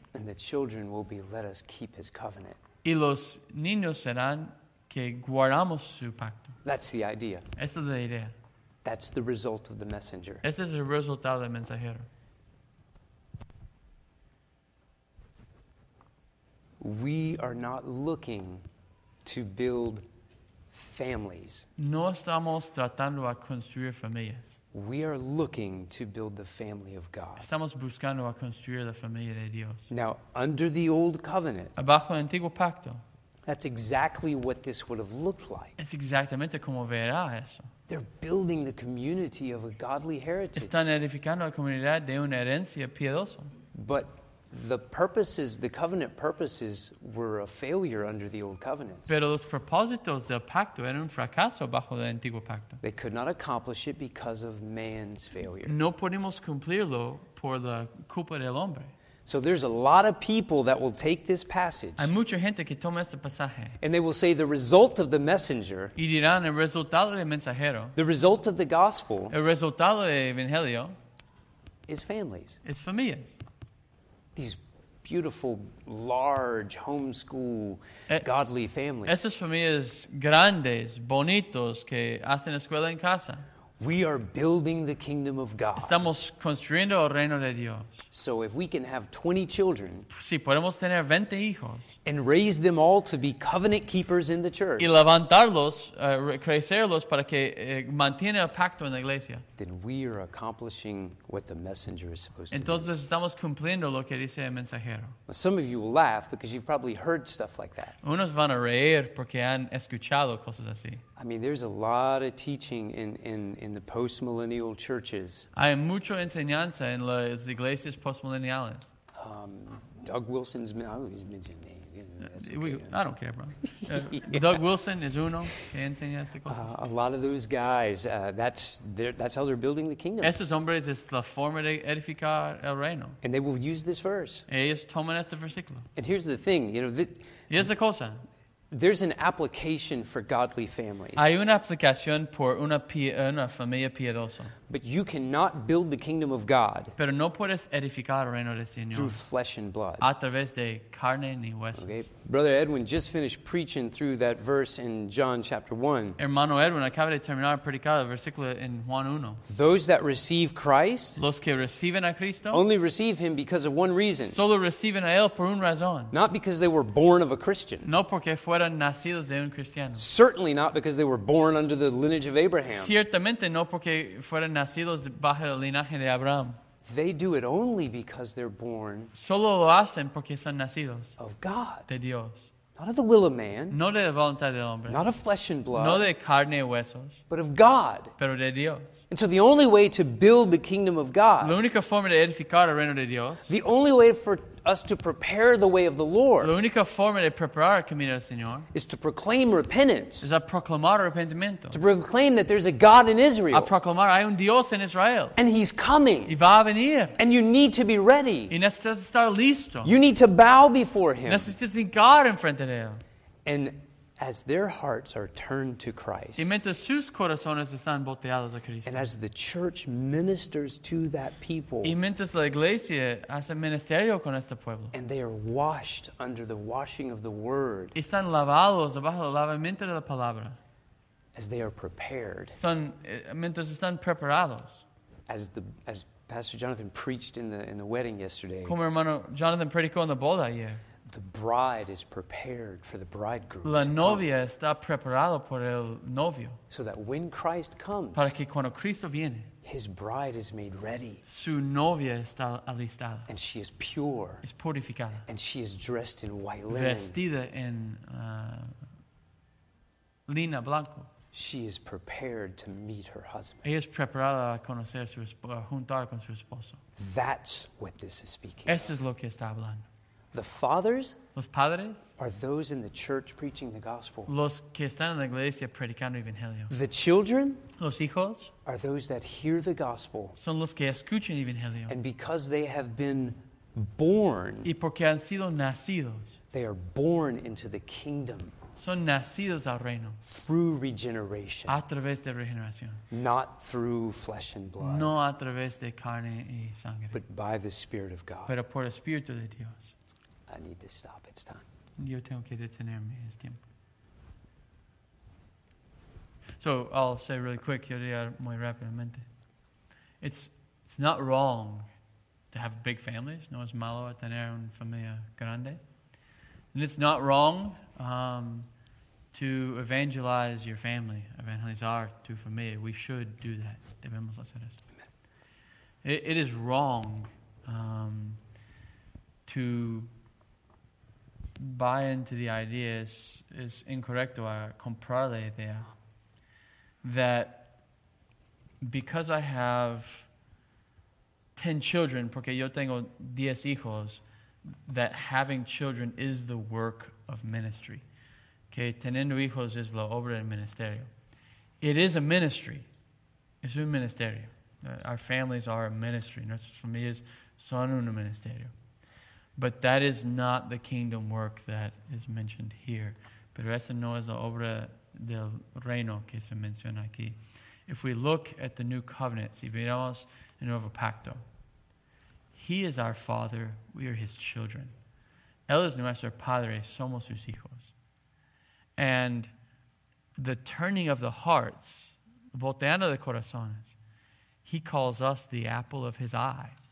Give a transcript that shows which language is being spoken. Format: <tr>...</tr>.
<en>And the children will be let us keep his covenant.</en> <es>Y los niños serán que guardamos su pacto.</es> <en>That's the idea.</en> <es>Esa es la idea.</es> <en>That's the result of the messenger.</en> <es>Ese es el resultado del mensajero.</es> <en>We are not looking to build families.</en> <es>No estamos tratando a construir familias.</es> <en>We are looking to build the family of God.</en> <es>Estamos buscando a construir la familia de Dios.</es> <en>Now, under the old covenant,</en> <es>abajo el antiguo pacto,</es> <en>that's exactly what this would have looked like.</en> <es>Es exactamente como verá eso.</es> <en>They're building the community of a godly heritage.</en> <es>Están edificando la comunidad de una herencia piadosa.</es> <en>But the purposes, the covenant purposes, were a failure under the old covenant.</en> <es>Pero los propósitos del pacto eran un fracaso bajo el antiguo pacto.</es> <en>They could not accomplish it because of man's failure.</en> <es>No podemos cumplirlo por la culpa del hombre.</es> <en>So there's a lot of people that will take this passage.</en> <es>Hay mucha gente que toma este pasaje.</es> <en>And they will say the result of the messenger.</en> <es>Y dirán el resultado del mensajero.</es> <en>The result of the gospel.</en> <es>El resultado del evangelio.</es> <en>Is families.</en> <es>Es familias.</es> <en>These beautiful, large, homeschool, godly families.</en> <es>Esas familias grandes, bonitos, que hacen escuela en casa.</es> <en>We are building the kingdom of God.</en> <es>Estamos construyendo el reino de Dios.</es> <en>So if we can have 20 children.</en> <es>Si podemos tener 20 hijos.</es> <en>And raise them all to be covenant keepers in the church.</en> <es>Y levantarlos, crecerlos para que mantiene el pacto en la iglesia.</es> <en>Then we are accomplishing what the messenger is supposed</en> <es>Entonces,</es> <en>to do.</en> <es>Entonces estamos cumpliendo lo que dice el mensajero.</es> <en>Some of you will laugh because you've probably heard stuff like that.</en> <es>Unos van a reír porque han escuchado cosas así.</es> <en>I mean, there's a lot of teaching in the postmillennial churches.</en> <es>Hay mucho enseñanza en las iglesias postmilleniales.</es> <en>Doug Wilson's, I always mention names. Okay. I don't care, bro. Yeah. Doug Wilson is</en> <es>uno que enseña este cosas.</es> <en>A lot of those guys, that's how they're building the kingdom.</en> <es>Esos hombres es la forma de edificar el reino.</es> <en>And they will use this verse.</en> <es>Ellos toman este versículo.</es> <en>And here's the thing, you know.</en> <es>Y es la cosa.</es> <en>There's an application for godly families.</en> <es>Hay una aplicación por una familia piadosa.</es> <en>But you cannot build the kingdom of God.</en> <es>Pero no puedes edificar el reino del Señor.</es> <en>Through flesh and blood.</en> <es>A través de carne ni hueso.</es> <en>Okay. Brother Edwin just finished preaching through that verse in John chapter 1.</en> <es>Hermano Edwin acaba de terminar predicar el versículo en Juan 1.</es> <en>Those that receive Christ.</en> <es>Los que reciben a Cristo.</es> <en>Only receive him because of one reason.</en> <es>Solo reciben a él por una razón.</es> <en>Not because they were born of a Christian.</en> <es>No porque fueron nacidos de un cristiano.</es> <en>Certainly not because they were born under the lineage of Abraham.</en> <es>Ciertamente no porque fueron nacidos bajo el linaje de Abraham.</es> <en>They do it only because they're born.</en> <es>Solo lo hacen porque son nacidos.</es> <en>Of God.</en> <es>De Dios.</es> <en>Not of the will of man.</en> <es>No de la voluntad del hombre.</es> <en>Not of flesh and blood.</en> <es>No de carne y huesos.</es> <en>But of God.</en> <es>Pero de Dios.</es> <en>And so the only way to build the kingdom of God.</en> <es>La única forma de edificar el reino de Dios.</es> <en>The only way for us to prepare the way of the Lord.</en> <es>La única forma de preparar el camino del Señor.</es> <en>Is to proclaim repentance.</en> <es>Es a proclamar arrepentimiento.</es> <en>To proclaim that there's a God in Israel.</en> <es>A proclamar hay un Dios en Israel.</es> <en>And he's coming.</en> <es>Y va a venir.</es> <en>And you need to be ready.</en> <es>Y necesitas estar listo.</es> <en>You need to bow before him.</en> <es>Necesitas hincar en frente de él.</es> <en>And as their hearts are turned to Christ.</en> <es>Y mientras sus corazones están volteados a Cristo.</es> <en>And as the church ministers to that people.</en> <es>Y mientras la iglesia hace ministerio con este pueblo.</es> <en>And they are washed under the washing of the word.</en> <es>Y están lavados bajo el lavamiento de la palabra.</es> <en>As they are prepared.</en> <es>Son, mientras están preparados.</es> <en>As Pastor Jonathan preached in the wedding yesterday.</en> <es>Como hermano Jonathan predicó en la boda ayer.</es> <en>The bride is prepared for the bridegroom.</en> <es>La novia está preparada por el novio.</es> <en>So that when Christ comes,</en> <es>para que cuando Cristo viene,</es> <en>his bride is made ready.</en> <es>Su novia está alistada.</es> <en>And she is pure.</en> <es>Es purificada.</es> <en>And she is dressed in white linen.</en> <es>Vestida en lino blanco.</es> <en>She is prepared to meet her husband.</en> <es>Ella es preparada a conocer su a juntar con su esposo.</es> <en>That's what this is speaking.</en> <es>Eso es lo que está hablando.</es> <en>The fathers,</en> <es>los padres,</es> <en>are those in the church preaching the gospel.</en> <es>Los que están en la iglesia predicando el evangelio.</es> <en>The children,</en> <es>los hijos,</es> <en>are those that hear the gospel.</en> <es>Son los que escuchan el evangelio.</es> <en>And because they have been born,</en> <es>y porque han sido nacidos,</es> <en>they are born into the kingdom.</en> <es>Son nacidos al reino.</es> <en>Through regeneration.</en> <es>A través de regeneración.</es> <en>Not through flesh and blood.</en> <es>No a través de carne y sangre.</es> <en>But by the Spirit of God.</en> <es>Pero por el Espíritu de Dios.</es> <en>I need to stop. It's time.</en> <es>Yo tengo que detenerme. Es tiempo.</es> <en>So I'll say really quick.</en> <es>Yo diría muy rápidamente.</es> <en>It's not wrong to have big families.</en> <es>No es malo tener una familia grande.</es> <en>And it's not wrong to evangelize your family,</en> <es>evangelizar tu familia.</es> <en>We should do that.</en> <es>Debemos hacer eso.</es> <en>It is wrong to buy into the idea,</en> <es>es incorrecto a comprar la idea,</es> <en>that because I have 10 children,</en> <es>porque yo tengo 10 hijos,</es> <en>that having children is the work of ministry.</en> <es>Que teniendo hijos es la obra del ministerio.</es> <en>It is a ministry.</en> <es>Es un ministerio.</es> <en>Our families are a ministry.</en> <es>Nuestras familias son un ministerio.</es> <en>But that is not the kingdom work that is mentioned here.</en> <es>Pero esa no es la obra del reino que se menciona aquí.</es> <en>If we look at the new covenant,</en> <es>si miramos el nuevo pacto,</es> <en>He is our Father, we are His children.</en> <es>Él es nuestro Padre, somos sus hijos.</es> <en>And the turning of the hearts,</en> <es>volteando de corazones,</es> <en>He calls us the apple of His eye.</en>